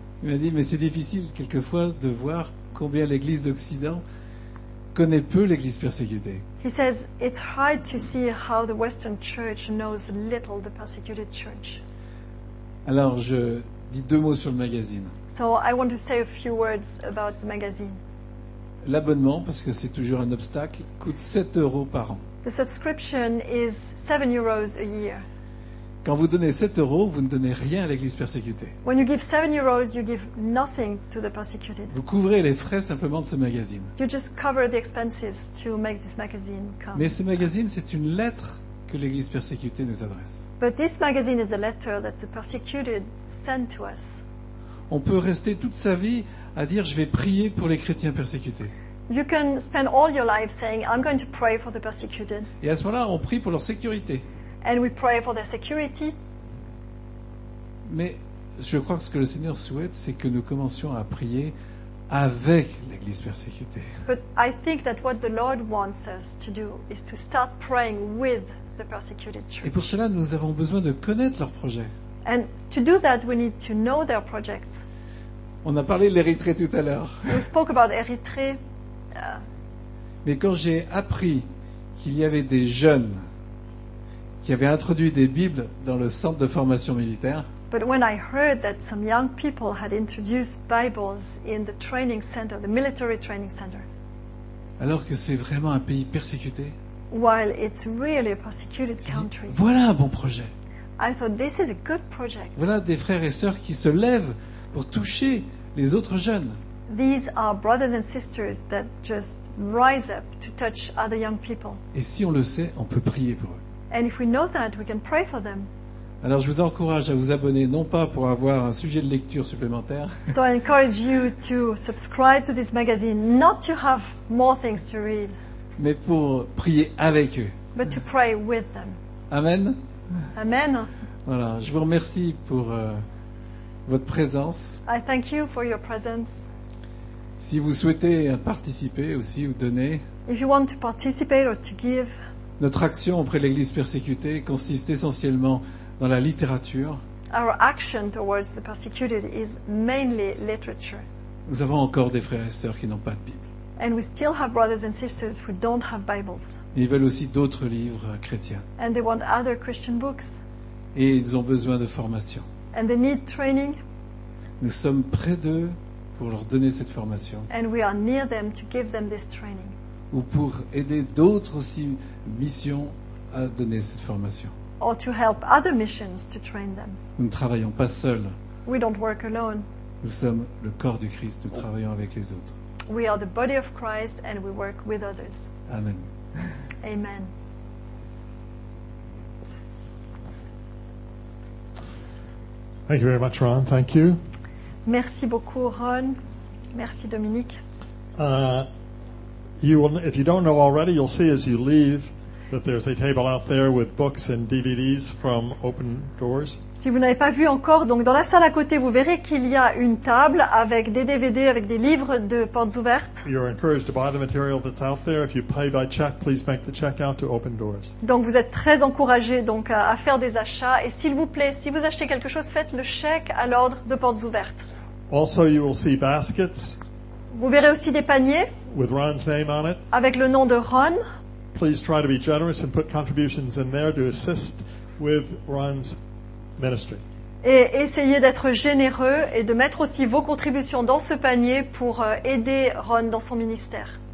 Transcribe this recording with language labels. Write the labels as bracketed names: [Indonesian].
[French] Il m'a dit, mais c'est difficile quelquefois de voir combien l'Église d'Occident connaît peu l'Église persécutée. [English] He says, it's hard to see how the Western Church knows little the persecuted church. [French] Alors, je dis deux mots sur le magazine. [English] So I want to say a few words about the magazine. [French] L'abonnement, parce que c'est toujours un obstacle, coûte 7 euros par an. [English] The subscription is 7 euros a year. [French] Quand vous donnez 7 euros, vous ne donnez rien à l'église persécutée. [English] When you give 7 euros, you give nothing to the persecuted. [French] Vous couvrez les frais simplement de ce magazine. [English] You just cover the expenses to make this magazine come. [French] Mais ce magazine, c'est une lettre que l'église persécutée nous adresse. [English] But this magazine is a letter that the persecuted sent to us. [French] On peut rester toute sa vie à dire je vais prier pour les chrétiens persécutés. [English] You can spend all your life saying I'm going to pray for the persecuted. [French] Et à ce moment-là, on prie pour leur sécurité. [English] And we pray for their security. [French] Mais je crois que ce que le Seigneur souhaite, c'est que nous commencions à prier avec l'église persécutée. [English] But I think that what the Lord wants us to do is to start praying with the persecuted church. [French] Et pour cela, nous avons besoin de connaître leurs projets. [English] And to do that, we need to know their projects. [French] On a parlé de l'Érythrée tout à l'heure. [English] We spoke about Érythrée. [French] Mais quand j'ai appris qu'il y avait des jeunes qui avaient introduit des Bibles dans le centre de formation militaire, [English] but when I heard that some young people had introduced Bibles in the training center, the military training center, [French] alors que c'est vraiment un pays persécuté, [English] while it's really a persecuted country, [French] voilà un bon projet. [English] I thought this is a good project. [French] Voilà des frères et sœurs qui se lèvent pour toucher les autres jeunes. [English] These are brothers and sisters that just rise up to touch other young people. [French] Et si on le sait, on peut prier pour eux. [English] And if we know that, we can pray for them. [French] Alors je vous encourage à vous abonner, non pas pour avoir un sujet de lecture supplémentaire. [English] So I encourage you to subscribe to this magazine, not to have more things to read. [French] mais pour prier avec eux. [English] But to pray with them. Amen. Amen. [French] Voilà, je vous remercie pour votre présence. [English] I thank you for your presence. [French] Si vous souhaitez participer aussi ou donner, [English] if you want to participate or to give, [French] notre action auprès de l'Église persécutée consiste essentiellement dans la littérature. [English] Our action towards the persecuted is mainly literature. [French] Nous avons encore des frères et sœurs qui n'ont pas de Bible. [English] And we still have brothers and sisters who don't have Bibles. [French] Ils veulent aussi d'autres livres chrétiens. [English] And they want other Christian books. [French] Et ils ont besoin de formation. [English] And they need training. [French] Nous sommes près d'eux pour leur donner cette formation. [English] And we are near them to give them this training. [French] Ou pour aider d'autres aussi missions à donner cette formation. [English] Or to help other missions to train them. [French] Nous ne travaillons pas seuls. [English] We don't work alone. [French] Nous sommes le corps du Christ, nous travaillons avec les autres. [English] We are the body of Christ and we work with others. Amen. Amen. Thank you very much, Ron. Thank you. [French] Merci beaucoup, Ron. Merci, Dominique. [English] You will, if you don't know already, you'll see as you leave that there's a table out there with books and DVDs from Open Doors. [French] Si vous n'avez pas vu encore, donc dans la salle à côté, vous verrez qu'il y a une table avec des DVD, avec des livres de Portes Ouvertes. [English] You're encouraged to buy the material that's out there. If you pay by check, please make the check out to Open Doors. [French] Donc vous êtes très encouragé donc à faire des achats. Et s'il vous plaît, si vous achetez quelque chose, faites le chèque à l'ordre de Portes Ouvertes. [English] Also, you will see baskets. [French] Vous verrez aussi des paniers. [English] With Ron's name on it. [French] Avec le nom de Ron. [English] Please try to be generous and put contributions in there to assist with Ron's ministry. [French] Et essayez d'être généreux et de mettre aussi vos contributions dans ce panier pour aider Ron dans son ministère.